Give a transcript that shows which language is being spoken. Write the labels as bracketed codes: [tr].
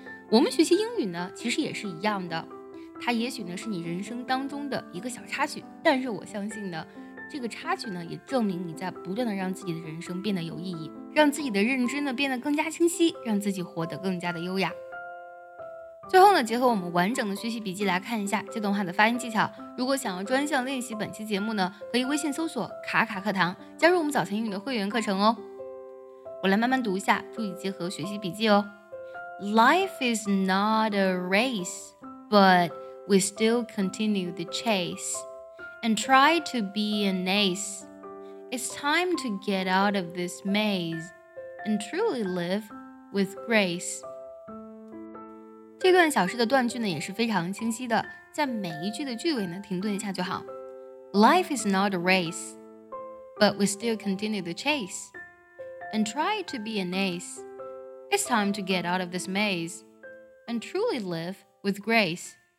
[zh] 我们学习英语呢其实也是一样的，它也许呢是你人生当中的一个小插曲，但是我相信呢这个插曲呢也证明你在不断地让自己的人生变得有意义，让自己的认知呢变得更加清晰，让自己活得更加的优雅。最后呢结合我们完整的学习笔记来看一下这段话的发音技巧。如果想要专项练习本期节目呢，可以微信搜索卡卡课堂加入我们早晨英语的会员课程哦。我来慢慢读一下，注意结合学习笔记哦。 [en] Life is not a race, but we still continue the chase and try to be an ace. It's time to get out of this maze and truly live with grace. [zh] 这段小诗的断句呢也是非常清晰的，在每一句的句尾呢停顿一下就好。 [en] Life is not a race, but we still continue the chase, and try to be an ace. It's time to get out of this maze, and truly live with grace.